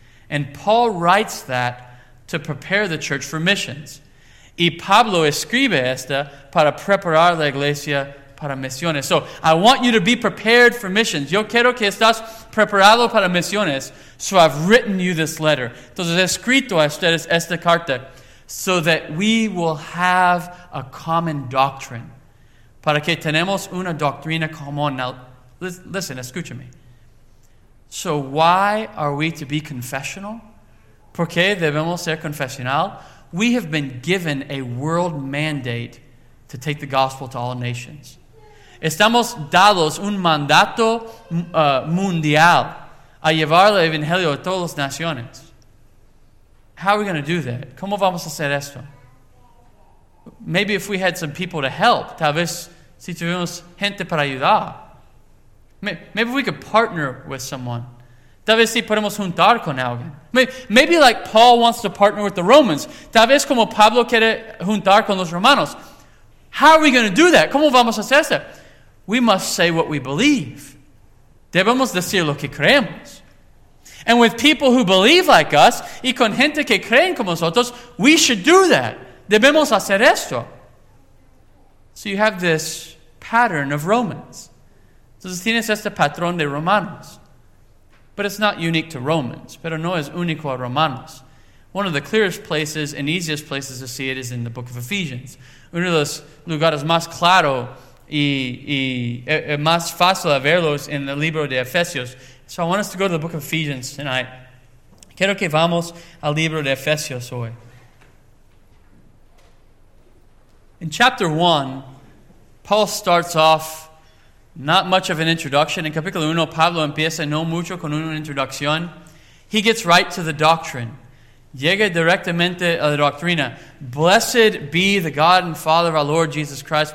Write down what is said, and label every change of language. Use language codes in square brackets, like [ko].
[en] And Paul writes that to prepare the church for missions. [es] Y Pablo escribe esta para preparar la iglesia para misiones. [en] So I want you to be prepared for missions. [es] Yo quiero que estás preparado para misiones. [en] So I've written you this letter. [es] Entonces he escrito a ustedes esta carta. [en] So that we will have a common doctrine. [es] Para que tenemos una doctrina común. [en] Now, listen, [es] escúchame. [en] So why are we to be confessional? [es] ¿Por qué debemos ser confesional? [en] We have been given a world mandate to take the gospel to all nations. [es] Estamos dados un mandato mundial a llevar el evangelio a todas las naciones. [en] How are we going to do that? [es] ¿Cómo vamos a hacer esto? [en] Maybe if we had some people to help, [es] tal vez si tuvimos gente para ayudar. [en] Maybe we could partner with someone. [es] Tal vez si podemos juntar con alguien. [en] Maybe like Paul wants to partner with the Romans. [es] Tal vez como Pablo quiere juntar con los Romanos. [en] How are we going to do that? [es] ¿Cómo vamos a hacer eso? [en] We must say what we believe. [es] Debemos decir lo que creemos. [en] And with people who believe like us, [es] y con gente que creen como nosotros, [en] we should do that. [es] Debemos hacer esto. [en] So you have this pattern of Romans. [es] Entonces tienes este patrón de Romanos. [en] But it's not unique to Romans. [es] Pero no es único a Romanos. [en] One of the clearest places and easiest places to see it is in the book of Ephesians. [es] Uno de los lugares más claro y más fácil a verlos en el libro de Efesios. [en] So I want us to go to the book of Ephesians tonight. [es] Quiero que vamos al libro de Efesios hoy. [en] In chapter 1, Paul starts off not much of an introduction. [es] In capítulo 1, Pablo empieza no mucho con una introducción. [en] He gets right to the doctrine. [es] Llega directamente a la doctrina. [en] Blessed be the God and Father of our Lord Jesus Christ.